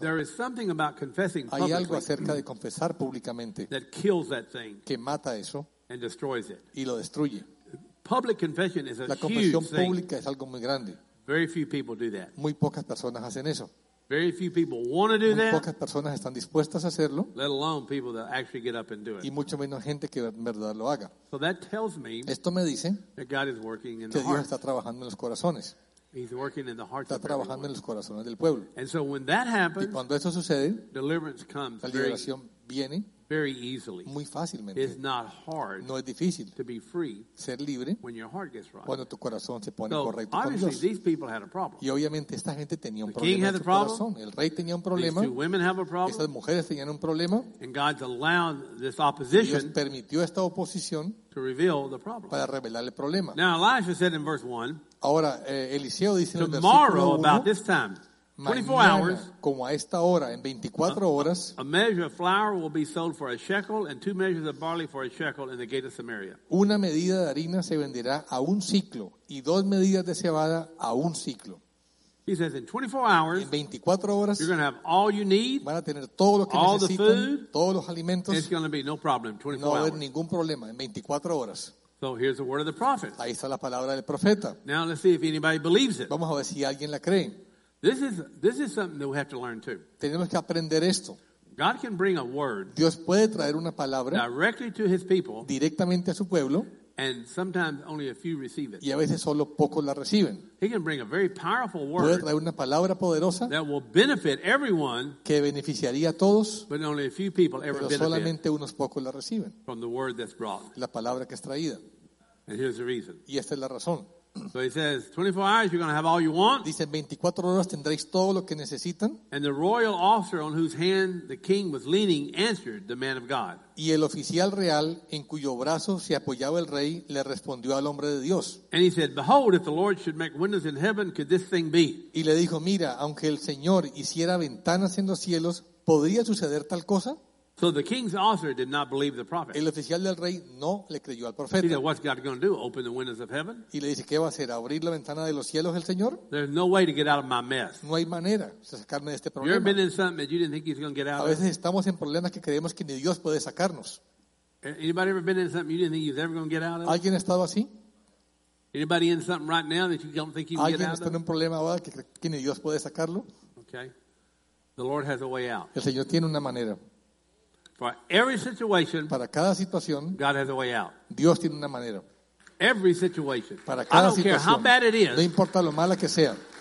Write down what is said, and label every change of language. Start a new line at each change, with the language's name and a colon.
English: There is something about confessing publicly.
Spanish: Hay algo acerca de confesar públicamente.
English: That kills that thing.
Spanish: Que mata eso.
English: And destroys it.
Spanish: Y lo destruye.
English: Public confession is a huge thing.
Spanish: La confesión pública es algo muy grande.
English: Very few people do that.
Spanish: Muy pocas personas hacen eso.
English: Very few people want to do that.
Spanish: Muy pocas personas están dispuestas a hacerlo.
English: Let alone people that actually get up and do it.
Spanish: Y mucho menos gente que en verdad lo haga.
English: So that tells me.
Spanish: Esto me dice.
English: That God is working in the hearts.
Spanish: Que Dios está trabajando en los corazones.
English: He's working in the hearts of people.
Spanish: Está trabajando en los corazones del pueblo.
English: And so when that happens.
Spanish: Y cuando eso sucede.
English: Deliverance comes.
Spanish: La liberación viene.
English: Very easily.
Spanish: Muy fácilmente.
English: It's not hard.
Spanish: No es difícil.
English: To be free.
Spanish: Ser libre.
English: When your heart gets right.
Spanish: Cuando tu corazón se pone correcto con Dios.
English: So obviously these people had a problem.
Spanish: Y obviamente esta gente tenía un problema.
English: King had a problem.
Spanish: El rey tenía un problema.
English: These two women have a problem.
Spanish: Estas mujeres tenían un problema.
English: And God's allowed this opposition.
Spanish: Dios permitió esta oposición.
English: To reveal the problem.
Spanish: Para revelar el problema.
English: Now Elijah said in verse 1.
Spanish: Ahora Eliseo dice en el versículo 1.
English: Tomorrow about this time. 24 hours,
Spanish: como a esta hora, en 24 horas,
English: a measure of flour will be sold for a shekel and two measures of barley for a shekel in the gate of Samaria.
Spanish: Una medida de harina se venderá a un siclo y dos medidas de cebada a un siclo.
English: He says in 24 hours,
Spanish: en 24 horas,
English: you're going to have all you need,
Spanish: van a tener todo lo que
English: all
Spanish: necesitan,
English: the food,
Spanish: todos los alimentos,
English: it's going to be no problem, 24
Spanish: no va a haber
English: hours.
Spanish: Ningún problema en 24 horas.
English: So here's the word of the prophet.
Spanish: Ahí está la palabra del profeta.
English: Now let's see if anybody believes it.
Spanish: Vamos a ver si alguien la cree.
English: This is something that we have to learn too.
Spanish: Tenemos que aprender esto.
English: God can bring a word.
Spanish: Dios puede traer una palabra
English: directly to his people.
Spanish: Directamente a su pueblo.
English: And sometimes only a few receive it.
Spanish: Y a veces solo pocos la reciben.
English: He can bring a very powerful word.
Spanish: Puede traer una palabra poderosa.
English: That will benefit everyone.
Spanish: Que beneficiaría a todos.
English: But only a few people ever benefit.
Spanish: Pero solamente unos pocos la reciben.
English: From the word that's brought.
Spanish: La palabra que es traída.
English: And here's the reason.
Spanish: Y esta es la razón.
English: So he says, 24 hours you're going to have all you want.
Spanish: Dice, 24 horas tendréis todo lo que necesitan.
English: And the royal officer on whose hand the king was leaning answered the man of God.
Spanish: Y el oficial real en cuyo brazo se apoyaba el rey le respondió al hombre de Dios.
English: And he said, behold, if the Lord should make windows in heaven, could this thing be?
Spanish: Y le dijo, mira, aunque el Señor hiciera ventanas en los cielos, ¿podría suceder tal cosa?
English: So the king's officer did not believe the prophet.
Spanish: El oficial del rey no le creyó al profeta.
English: He said, what's God going to do? Open the windows of heaven?
Spanish: Y le dice, ¿qué va a hacer? ¿Abrir la ventana de los cielos el Señor?
English: There's no way to get out of my mess.
Spanish: No hay manera de sacarme de este problema.
English: You've been in something that you didn't think he's going to get out of.
Spanish: A veces estamos en problemas que creemos que ni Dios puede sacarnos.
English: Anybody ever been in something you didn't think he's ever going to get out of?
Spanish: ¿Alguien ha estado así?
English: Anybody in something right now that you don't think you can get out of?
Spanish: ¿Alguien está en un problema ahora que ni Dios puede sacarlo?
English: Okay. The Lord has a way out.
Spanish: El Señor tiene una manera.
English: For every situation,
Spanish: para cada situación,
English: God has a way out.
Spanish: Dios tiene una manera.
English: Every situation,
Spanish: para cada situación.
English: I don't care how bad it is.
Spanish: No importa lo mala que sea.